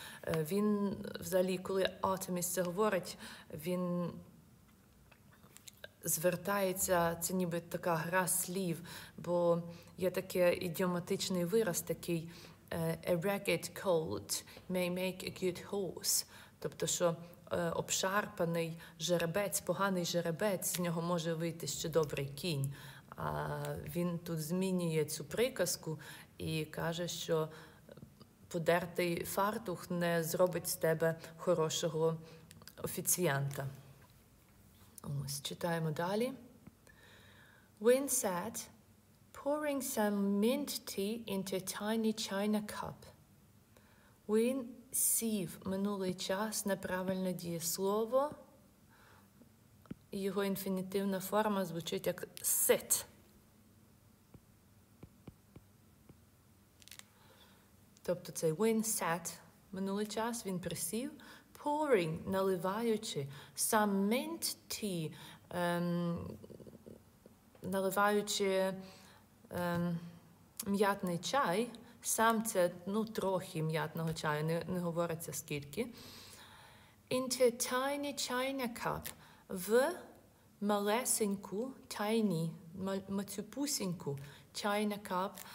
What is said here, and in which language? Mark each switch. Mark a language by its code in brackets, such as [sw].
[uk] Він взагалі, коли Артеміс це говорить, він звертається, це ніби така гра слів, бо є такий ідіоматичний вираз такий [en] «a ragged colt may make a good horse», [uk] тобто що обшарпаний жеребець, поганий жеребець, з нього може вийти ще добрий кінь. А він тут змінює цю приказку і каже, що подертий фартух не зробить з тебе хорошого офіціанта. Ось, читаємо далі. [en] Win said, pouring some mint tea into a tiny china cup. [uk] Win сів минулий час, неправильне дієслово. Його інфінітивна форма звучить як sit. Тобто цей win sat, минулий час, він присів, [en] pouring, [uk] наливаючи, [en] some mint tea, [uk] наливаючи м'ятний чай, сам це, трохи м'ятного чаю, не говориться скільки, [en] into tiny china cup, [uk] в малесеньку, [en] tiny, [uk] мацюпусеньку, [en] china cup,